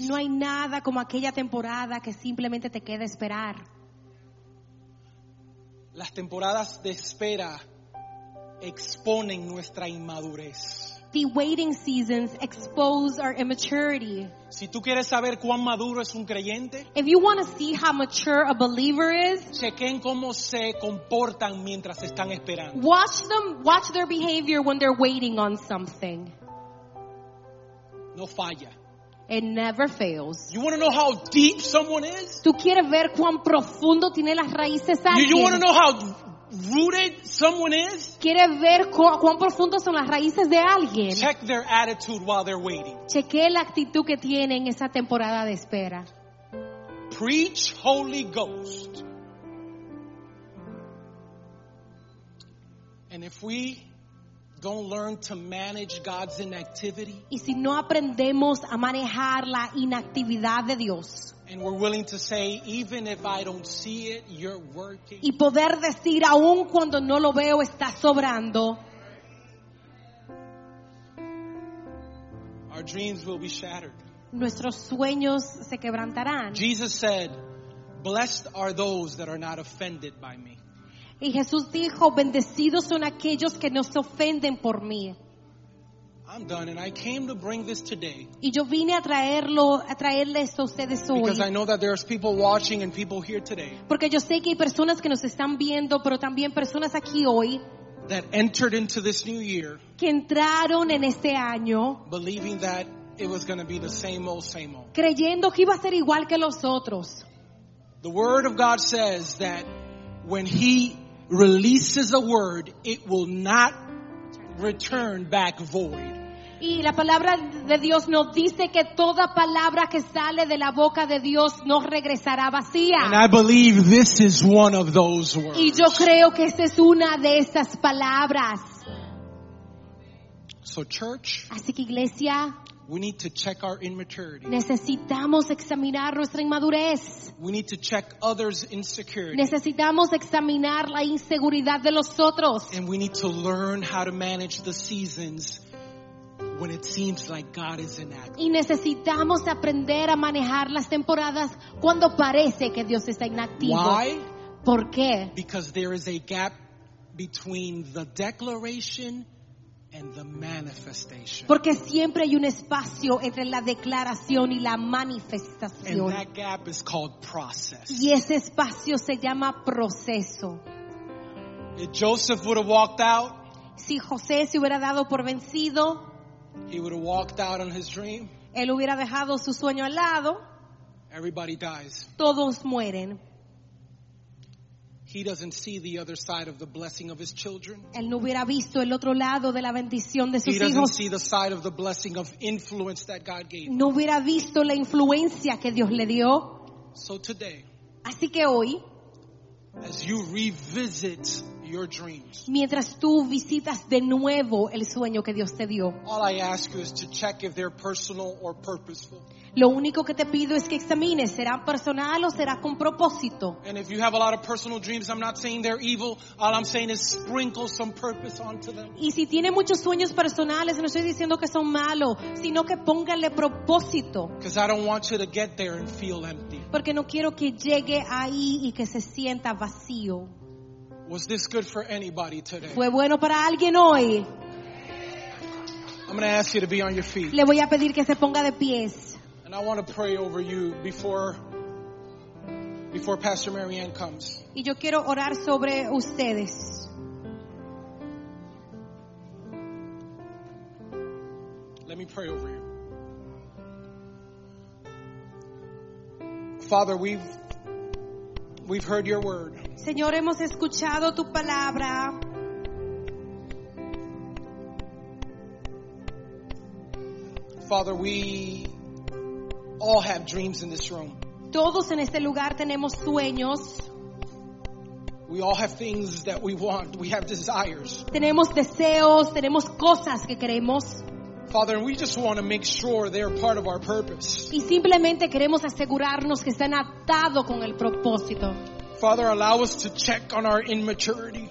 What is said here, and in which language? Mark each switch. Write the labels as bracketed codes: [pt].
[es] No hay nada como aquella temporada que simplemente te queda esperar. Las temporadas de espera exponen nuestra inmadurez. [en] The waiting seasons expose our immaturity. [es] Si tú quieres saber cuán maduro es un creyente, [en] if you want to see how mature a believer is, [es] chequen cómo se comportan mientras están esperando. [en] Watch their behavior when they're waiting on something. [es] No falla. [en] It never fails. You want to know how deep someone is? [es] ¿Tú quieres ver cuán profundo tiene las raíces alguien? [en] You want to know how rooted someone is? [es] ¿Quieres ver cuán profundo son las raíces de alguien? [en] Check their attitude while they're waiting. [es] Chequea la actitud que tiene en esa temporada de espera. [en] Preach Holy Ghost. And if we don't learn to manage God's inactivity, [es] y si no aprendemos a manejar la inactividad de Dios, [en] and we're willing to say, even if I don't see it, you're working, [es] y poder decir, aun cuando no lo veo, está sobrando, [en] our dreams will be shattered. [es] Nuestros sueños se quebrantarán. [en] Jesus said, blessed are those that are not offended by me. [es] Y Jesús dijo, bendecidos son aquellos que no se ofenden por mí. [en] I'm done and I came to bring this today. [es] Y yo vine a traerles a ustedes hoy. [en] Because I know that there's people watching and people here today. [es] Porque yo sé que hay personas que nos están viendo, pero también personas aquí hoy. [en] That entered into this new year. [es] Que entraron en este año. [en] Believing that it was going to be the same old, same old. [es] Creyendo que iba a ser igual que los otros. [en] The word of God says that when he releases a word, it will not return back void. [es] Y la palabra de Dios nos dice que toda palabra que sale de la boca de Dios no regresará vacía. [en] And I believe this is one of those words. [es] Y yo creo que esta es una de esas palabras. [en] So church, [es] así que iglesia, [en] we need to check our immaturity. [es] Necesitamos examinar nuestra inmadurez. [en] We need to check others' insecurity. [es] Necesitamos examinar la inseguridad de los otros. [en] And we need to learn how to manage the seasons when it seems like God is inactive. [es] Y necesitamos aprender a manejar las temporadas cuando parece que Dios está inactivo. [en] Why? [es] ¿Por qué? [en] Because there is a gap between the declaration and the manifestation. [es] Porque siempre hay un espacio entre la declaración y la manifestación. [en] And that gap is called process. [es] Y ese espacio se llama proceso. [en] If Joseph would have walked out, [es] si José se hubiera dado por vencido, [en] he would have walked out on his dream. [es] Él hubiera dejado su sueño al lado. [en] Everybody dies. [es] Todos mueren. [en] He doesn't see the other side of the blessing of his children. [es] Él no hubiera visto el otro lado de la bendición de sus hijos. [en] He doesn't see the side of the blessing of influence that God gave. [es] No hubiera visto la influencia que Dios le dio. [en] So today, [es] así que hoy, [en] as you revisit your dreams, [es] mientras tú visitas de nuevo el sueño que Dios te dio, [en] all I ask you is to check if they're personal or purposeful. [es] Lo único que te pido es que examines, ¿será personal o será con propósito? [en] And if you have a lot of personal dreams, I'm not saying they're evil. All I'm saying is sprinkle some purpose onto them. [es] Y si tiene muchos sueños personales, no estoy diciendo que son malos, sino que póngale propósito. [en] Because I don't want you to get there and feel empty. [es] Porque no quiero que llegue ahí y que se sienta vacío. [en] Was this good for anybody today? [es] ¿Fue bueno para alguien hoy? [en] I'm going to ask you to be on your feet. [es] Le voy a pedir que se ponga de pies. [en] And I want to pray over you before Pastor Marianne comes. [es] Y yo quiero orar sobre ustedes. [en] Let me pray over you. Father, we've heard your word. [es] Señor, hemos escuchado tu palabra. [en] Father, we all have dreams in this room. [es] Todos en este lugar tenemos sueños. [en] We all have things that we want. We have desires. [es] Tenemos deseos, tenemos cosas que queremos. [en] Father, and we just want to make sure they're part of our purpose. [es] Y simplemente queremos asegurarnos que están atados con el propósito. [en] Father, allow us to check on our immaturity.